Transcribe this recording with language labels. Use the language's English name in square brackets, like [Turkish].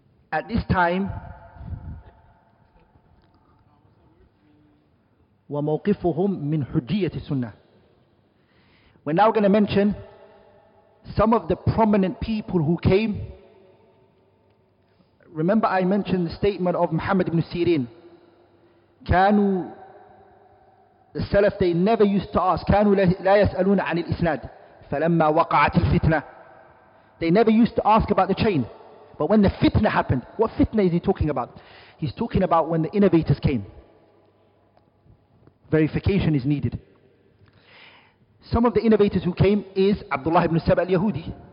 [English] At this time, [Arabic] وَمَوْقِفُهُمْ مِنْ حُجِّيَّةِ السُنَّةِ. [English] We're now going to mention some of the prominent people who came. Remember I mentioned the statement of Muhammad ibn Sirin. كانوا, the Salaf, they never used to ask. [Arabic] كانوا لا يسألون عن الإسناد. فَلَمَّا وَقَعَتِ الْفِتْنَةِ. [English] They never used to ask about the chain. But when the fitna happened, what fitna is he talking about? He's talking about when the innovators came. Verification is needed. Some of the innovators who came is Abdullah ibn Sab' al-Yahudi.